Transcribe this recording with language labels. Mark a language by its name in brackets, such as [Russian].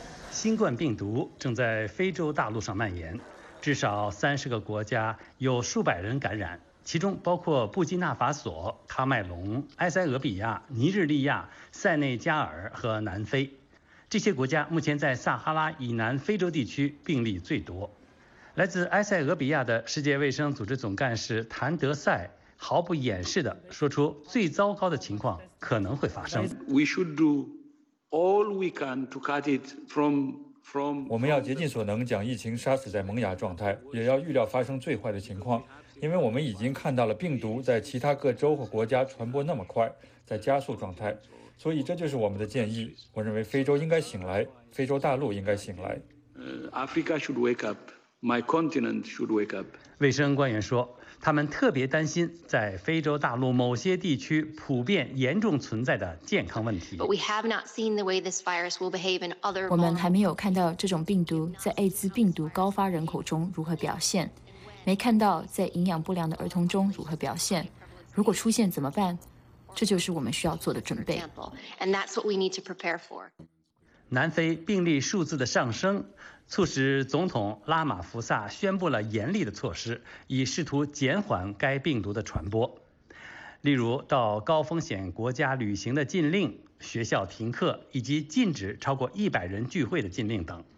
[Chinese] 新冠病毒正在非洲大陆上蔓延，至少30个国家有数百人感染，其中包括布基纳法索、喀麦隆、埃塞俄比亚、尼日利亚、塞内加尔和南非。这些国家目前在撒哈拉以南非洲地区病例最多。来自埃塞俄比亚的世界卫生组织总干事谭德赛毫不掩饰地说出最糟糕的情况可能会发生。 [English] We should do all we can to cut it from [Chinese] 我们要竭尽所能将疫情杀死在萌芽状态，也要预料发生最坏的情况，因为我们已经看到了病毒在其他各州和国家传播那么快，在加速状态，所以这就是我们的建议。我认为非洲应该醒来，非洲大陆应该醒来。 [English] Africa should wake up. My continent should wake up. [Chinese] 卫生官员说，他们特别担心在非洲大陆某些地区普遍严重存在的健康问题。 [English] But we have not seen the way this virus will behave in other. [Chinese] 我们还没有看到这种病毒在艾滋病毒高发人口中如何表现，没看到在营养不良的儿童中如何表现。如果出现怎么办？这就是我们需要做的准备。 [English] And that's what we need to prepare for. [Chinese] 南非病例数字的上升，促使总统拉马福萨宣布了严厉的措施，以试图减缓该病毒的传播。例如，到高风险国家旅行的禁令、学校停课以及禁止超过100人聚会的禁令等。